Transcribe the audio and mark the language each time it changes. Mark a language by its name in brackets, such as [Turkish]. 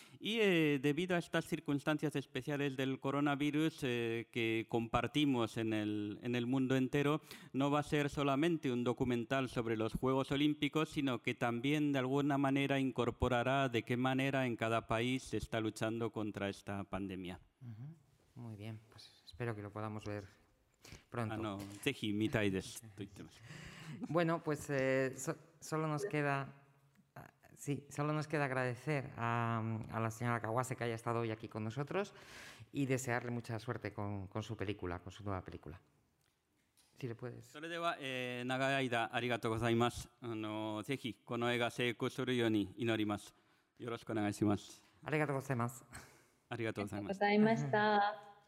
[Spanish] Y debido a estas circunstancias especiales del coronavirus que compartimos en el mundo entero, no va a ser solamente un documental sobre los Juegos Olímpicos, sino que también de alguna manera incorporará de qué manera en cada país se está luchando contra esta pandemia. Uh-huh. Muy bien, pues espero que lo podamos ver pronto. No, [Japanese] ぜひ見たいですと言ってます。 [Spanish] Bueno, pues solo nos queda agradecer a la señora Kawase que haya estado hoy aquí con nosotros y desearle mucha suerte con su película, con su nueva película. Si le puedes. [Japanese] それでは、長い間ありがとうございます。ぜひこの映画成功するように祈ります。よろしくお願いします。ありがとうございます。ありがとうございました。ありがとうございました。